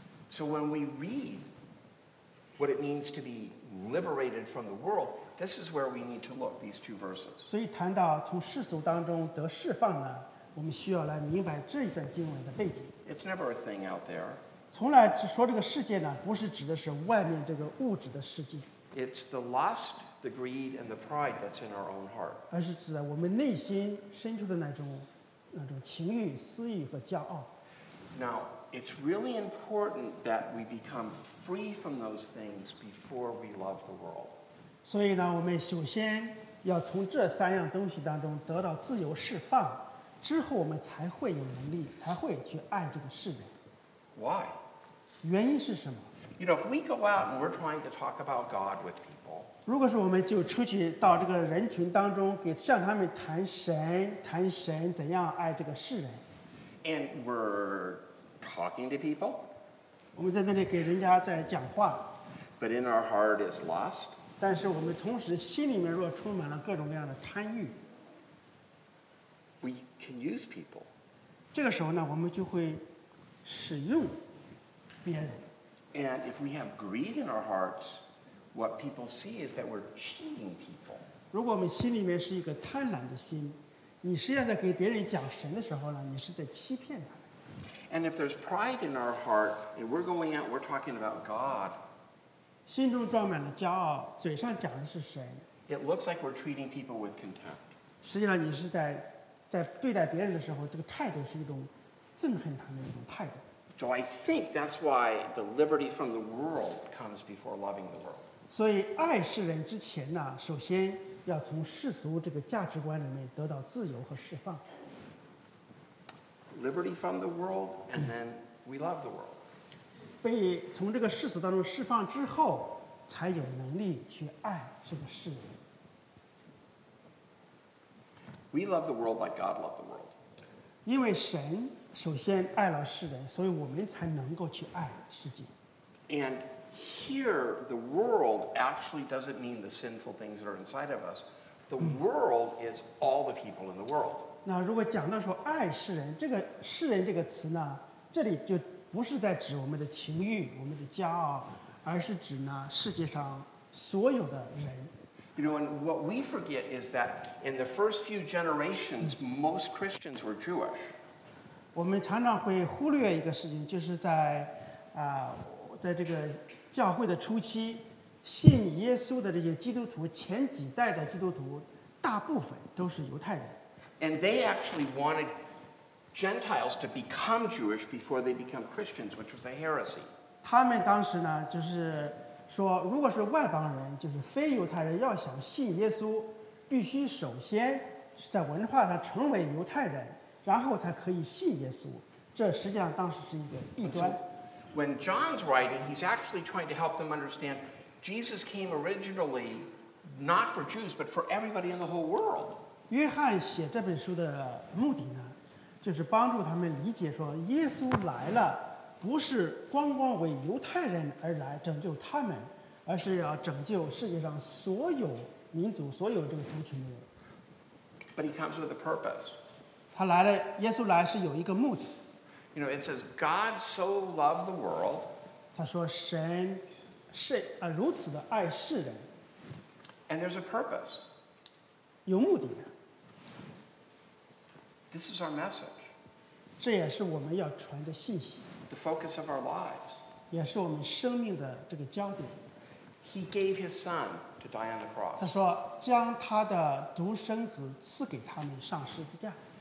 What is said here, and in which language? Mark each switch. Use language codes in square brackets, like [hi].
[en] So when we read what it means to be liberated from the world, this is where we need to look. These two verses. [zh] 所以谈到从世俗当中得释放呢，我们需要来明白这一段经文的背景。 [en] It's never a thing out there. [zh] 从来说这个世界呢，不是指的是外面这个物质的世界。 [en] It's the lust, the greed, and the pride that's in our own heart. [zh] 而是指我们内心深处的那种情欲、私欲和骄傲。 [en] Now, it's really important that we become free from those things before we love the world. [zh] 所以呢，我们首先要从这三样东西当中得到自由释放，之后我们才会有能力，才会去爱这个世人。 [en] Why? [zh] 原因是什么? [en] You know, if we go out and we're trying to talk about God with people, [zh] 如果说我们就出去到这个人群当中给向他们谈神怎样爱这个世人, [en] and we're talking to people, [zh] 我们在那里给人家在讲话, [en] but in our heart is lust, [zh] 但是我们同时心里面若充满了各种各样的贪欲, [en] we can use people. [zh] 这个时候呢,我们就会使用别人。 [en] And if we have greed in our hearts, what people see is that we're cheating people. [zh] 如果我们心里面是一个贪婪的心，你实际上在给别人讲神的时候呢，你是在欺骗他。 [en] And if there's pride in our heart, and we're going out, we're talking about God. [zh] 心中装满了骄傲，嘴上讲的是神。 [en] It looks like we're treating people with contempt. [zh] 实际上你是在对待别人的时候，这个态度是一种憎恨他们的一种态度。 [en] So I think that's why the liberty from the world comes before loving the world. [zh] 所以爱世人之前呢，首先要从世俗这个价值观里面得到自由和释放。 [en] Liberty from the world, and then we love the world. [zh] 被从这个世俗当中释放之后，才有能力去爱这个世人。 [en] We love the world like God loved the world. [zh] 因为神首先爱了世人，所以我们才能够去爱世界。 [en] And here, the world actually doesn't mean the sinful things that are inside of us. The world is all the people in the world. [zh] 那如果讲到说爱世人，这个世人这个词呢，这里就不是在指我们的情欲、我们的骄傲，而是指呢世界上所有的人。 [en] You know, and what we forget is that in the first few generations, most Christians were Jewish. [zh] 我们常常会忽略一个事情，就是在在这个教会的初期，信耶稣的这些基督徒，前几代的基督徒，大部分都是犹太人。 [en] And they actually wanted Gentiles to become Jewish before they become Christians, which was a heresy. [zh] 他们当时呢，就是说，如果是外邦人，就是非犹太人，要想信耶稣，必须首先在文化上成为犹太人，然后才可以信耶稣。这实际上当时是一个异端。 [en] When John's writing, he's actually trying to help them understand Jesus came originally not for Jews, but for everybody in the whole world. [zh] 约翰写这本书的目的呢，就是帮助他们理解说，耶稣来了，不是光光为犹太人而来拯救他们，而是要拯救世界上所有民族、所有这个族群的人。 [en] But he comes with a purpose. [zh] 他来了，耶稣来是有一个目的。 [en] You know, it says God so loved the world. [zh] 他说神是如此的爱世人。 [en] And there's a purpose. [zh] 有目的的。 [en] This is our message. [zh] 这也是我们要传的信息。 [en] The focus of our lives. [zh] 也是我们生命的这个焦点。 [en] He gave his son to die on the cross. [zh] 他说将他的独生子赐给他们上十字架。